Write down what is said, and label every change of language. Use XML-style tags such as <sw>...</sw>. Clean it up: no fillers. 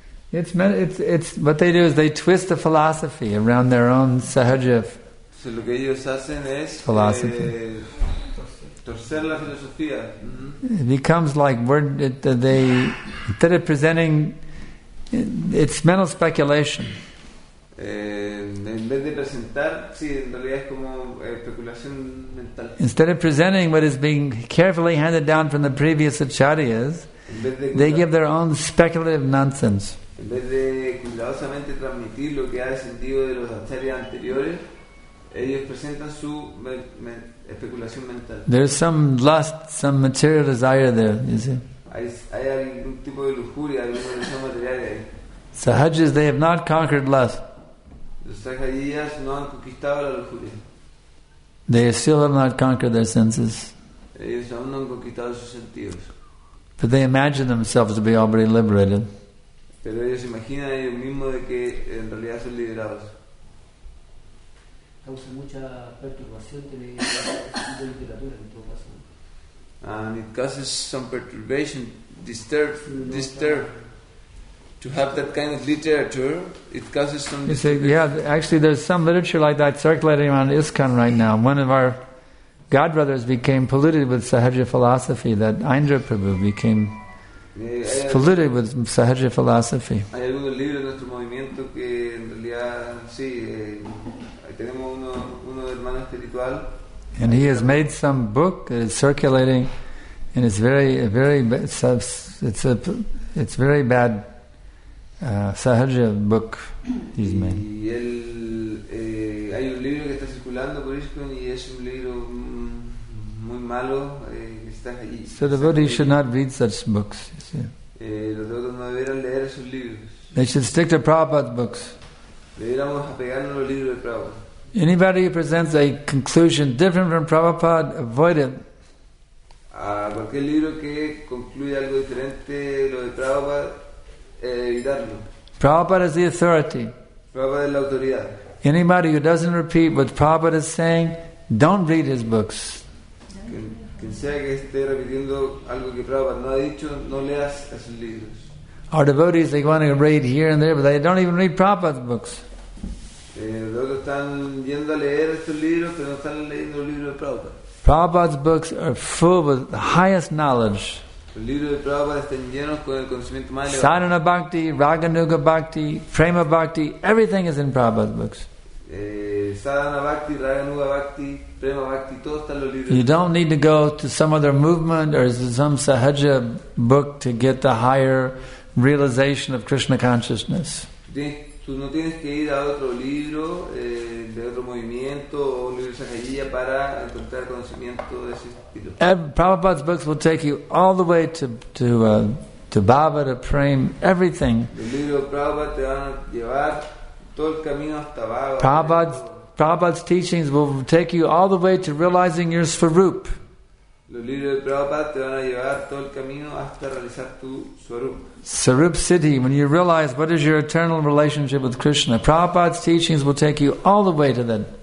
<en>It's what they do is they twist the philosophy around their own sahaja philosophy.</en> <es>Torcer la filosofía. Mm-hmm.</es> <en>It becomes like instead of presenting, it's mental speculation.</en> <es>En vez de presentar, sí, en realidad es como especulación mental.</es> <en>Instead of presenting what is being carefully handed down from the previous acharyas, they give their own speculative nonsense.</en> <es>En vez de cuidadosamente transmitir lo que ha descendido de los acharyas anteriores, ellos presentan su especulación mental.</es> <en>There's some lust, some material desire there, you see.</en> <es>Hay algún tipo de lujuria, alguna lujuria material ahí.</es> <en>Sahajas, they have not conquered lust.</en> <es>Los sahajas no han conquistado la lujuria.</es> <en>They still have not conquered their senses.</en> <es>Ellos aún no han conquistado sus sentidos.</es> <en>But they imagine themselves to be already liberated.</en> <es>Pero ellos imaginan ellos mismos de que en realidad son liberados. Causa mucha perturbación tener la literatura en todo caso.</es> <en>And it causes some perturbation, disturb. To have that kind of literature, it causes some. You say, yeah, actually, there's some literature like that circulating around ISKCON right now. One of our God brothers became polluted with sahaja philosophy. That Indra Prabhu became. It's polluted with sahaja philosophy.</en> <es>Hay algunos libros de nuestro movimiento que en realidad sí tenemos uno hermano espiritual.</es> <en>And he has made some book that is circulating, and it's very it's very bad sahaja book he's made.</en> <es>Y él hay un libro que está circulando por ISKCON y es un libro muy malo.</es> <en>So devotees should not read such books. They should stick to Prabhupada's books. Anybody who presents a conclusion different from Prabhupada, avoid it. Prabhupada is the authority. Anybody who doesn't repeat what Prabhupada is saying, don't read his books.</en> <es>Quien sea que esté repitiendo algo que Prabhupada no ha dicho, no leas esos libros.</es> <en>Our devotees, they want to read here and there, but they don't even read Prabhupada's books.</en> <es>Los están yendo a leer estos libros, pero no están leyendo los libros de Prabhupada.</es> <en>Prabhupada's books are full with the highest knowledge.</en> <es>Los libros de Prabhupada están llenos con el conocimiento más elevado.</es> <en>Sadhana Bhakti, Raganuga Bhakti, Prema Bhakti, everything is in Prabhupada's books.</en> <es>Sadhana Bhakti, Raganuga Bhakti, Prema Bhakti, todo está en los libros.</es> <en>You don't need to go to some other movement or some sahaja book to get the higher realization of Krishna consciousness.</en> <es>Tú no tienes que ir a otro libro de otro movimiento o un libro sahajilla para encontrar conocimiento de ese estilo.</es> <en>Prabhupada's books will take you all the way to Bhava, to Prem, everything.</en> <es>El libro de Prabhupada te van a llevar todo el camino hasta Bhava.</es> <en>Prabhupada's teachings will take you all the way to realizing your svarup.</en> <es>Los libros de Prabhupada te van a llevar todo el camino hasta realizar tu swarup.</es> <en>Swarup City, when you realize what is your eternal relationship with Krishna, Prabhupada's teachings will take you all the way to that.</en>